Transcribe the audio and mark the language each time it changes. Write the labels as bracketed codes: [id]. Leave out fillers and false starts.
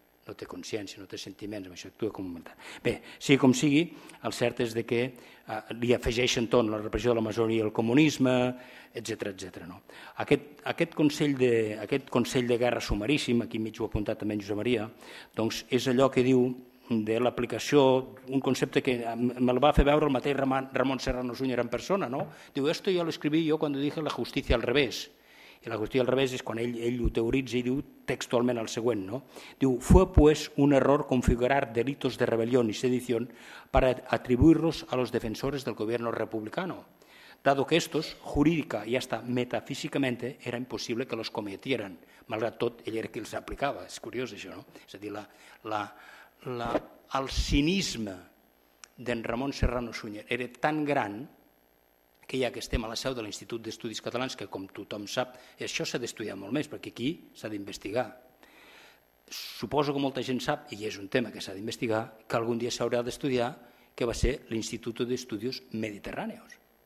[ca] No té consciència, no té sentiments, amb això actua com un militar. Bé, sigui com sigui, el cert és que li afegeixen tot la repressió de l'Amazònia i el comunisme, etcètera, etcètera. No? Aquest Consell de Guerra sumaríssim, aquí mig ho ha apuntat també en Josep Maria, doncs és allò que diu de l'aplicació, un concepte que me'l va fer veure el mateix Ramon Serrano Sunyer en persona, no? [es] Diu, esto yo lo escribí yo cuando dije la justicia al revés. [ca] I la qüestió al revés és quan ell ho teoritza i diu textualment el següent, no? [es] Diu, fue pues un error configurar delitos de rebelión y sedición para atribuirlos a los defensores del gobierno republicano, dado que estos, jurídica y hasta metafísicamente, era imposible que los cometieran, [ca] malgrat tot ell era qui els aplicava, és curiós això, no? És a dir, el cinisme d'en Ramon Serrano Sunyer era tan gran que ja que estem a la seu de l'Institut d'Estudis Catalans, que com tothom sap, això s'ha d'estudiar molt més, perquè aquí s'ha d'investigar. Suposo que molta gent sap, i és un tema que s'ha d'investigar, que algun dia s'haurà d'estudiar que va ser l'Institut d'Estudis Mediterrànios.